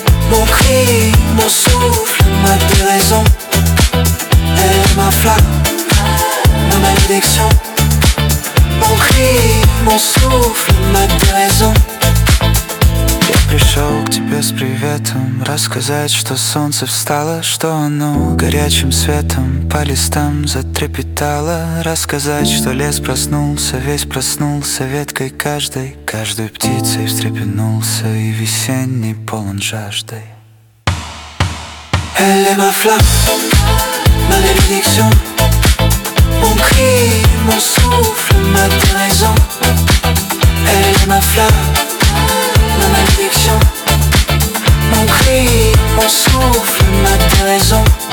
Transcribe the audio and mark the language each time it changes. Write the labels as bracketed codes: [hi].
[fr] Mon cri, mon souffle, ma déraison. Elle est ma flamme, ma malédiction. Mon cri, mon souffle, ma déraison. [ru] Пришел к тебе с приветом, рассказать, что солнце встало, что оно горячим светом по листам затрепетало. Рассказать, что лес проснулся, весь проснулся веткой каждой, каждой птицей встрепенулся, и весенний полон жаждой. [fr] Elle est ma flamme, ma malédiction, mon cri, mon souffle, ma déraison. Elle est ma flamme, ma malédiction, mon cri, mon souffle, ma déraison.